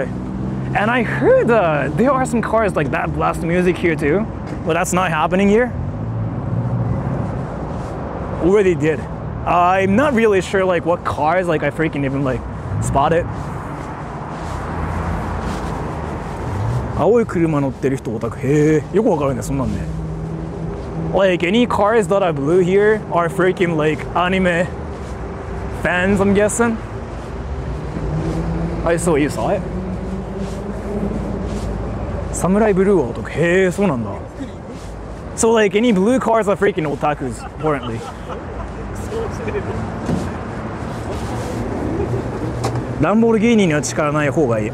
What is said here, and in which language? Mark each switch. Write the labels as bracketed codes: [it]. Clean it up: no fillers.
[en] And I heard there are some cars like that blast music here too. But that's not happening here. Already did. I'm not really sure like what cars like I freaking even like spot it. [ja] 青い車乗ってる人オタク、へえ、よくわかるね、そんなんね。 [en] Like any cars that are blue here are freaking like anime fans, I'm guessing. I saw you saw it. [ja] サムライブルーはオタク、へえ、そうなんだ。 [en] So like any blue cars are freaking otakus, apparently. [ja] ランボルギーニには近づかない方がいい。